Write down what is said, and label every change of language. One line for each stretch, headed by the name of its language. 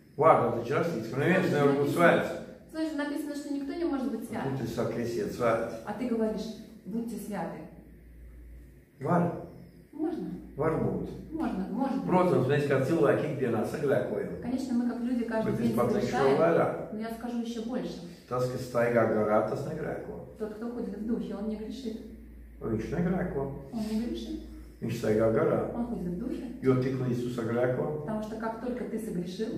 Latvian: Вārdā taču rakstīts, ka neviens nevar būt svēts.
Russian: Слышь, написано, что никто не может быть свят.
Latvian: Un tu saki, esiet svēti.
Russian: А ты говоришь, будьте святы.
Latvian: Var.
Russian: Можно.
Latvian: Varbūt.
Russian: Можно.
Latvian: Protams, mēs kā cilvēki ikdienā sagrēkojam.
Russian: Конечно, мы как люди каждый день грешаем.
Latvian: Bet es pateikšu vēl vairāk.
Russian: Но я скажу еще больше.
Latvian: Tas, kas staigā garā, tas negrēko.
Russian: Тот, кто ходит в духе, он не грешит.
Latvian: Viņš negrēko.
Russian: Он не грешит.
Latvian: Viņš staigā garā.
Russian: Он ходит в духе.
Latvian: Jo tik līdz tu sagrēko.
Russian: Потому что как только ты согрешил.